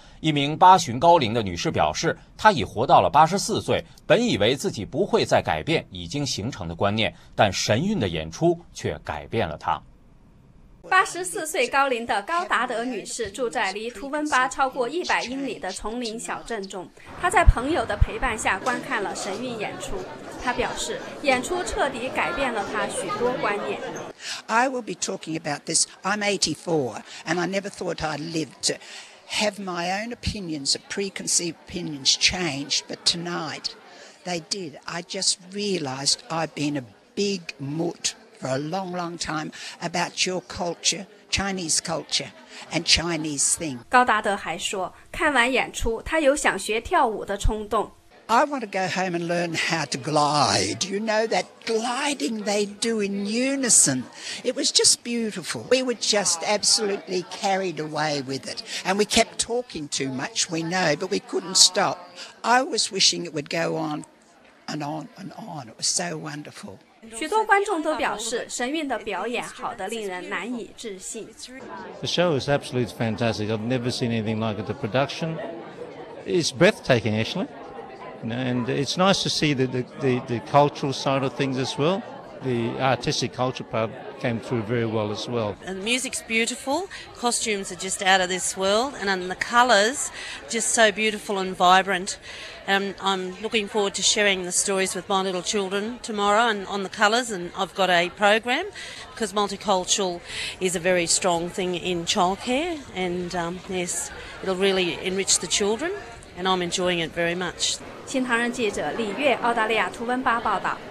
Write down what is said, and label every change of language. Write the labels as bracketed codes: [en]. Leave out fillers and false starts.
[zh] 一名八旬高龄的女士表示，她已活到了84岁，本以为自己不会再改变已经形成的观念，但神韵的演出却改变了她。 84岁高龄的高达德女士住在离图文巴超过100英里的丛林小镇中，她在朋友的陪伴下观看了神韵演出。她表示，演出彻底改变了她许多观念。 [en] I will be talking about this. I'm 84, and I never thought I'd live to have my own opinions, of preconceived opinions, changed. But tonight, they did. I just realized I've been a big mutt. For a long, long time, about your culture, Chinese culture, and Chinese thing. [zh] 高达德还说，看完演出，他有想学跳舞的冲动。 [en] I want to go home and learn how to glide. You know that gliding they do in unison. It was just beautiful. We were just absolutely carried away with it, and we kept talking too much. We know, but we couldn't stop. I was wishing it would go on and on and on. It was so wonderful. [zh] 许多观众都表示，神韵的表演好得令人难以置信。 [en] The show is absolutely fantastic. I've never seen anything like it. The production is breathtaking, actually. And it's nice to see the cultural side of things as well. The artistic culture part came through very well as well. And the music's beautiful. Costumes are just out of this world. And then the colors, just so beautiful and vibrant. I'm looking forward to sharing the stories with my little children tomorrow and on the colours, and I've got a program because multicultural is a very strong thing in childcare, and yes, it'll really enrich the children and I'm enjoying it very much. [zh] 新唐人记者李月，澳大利亚图文巴报道。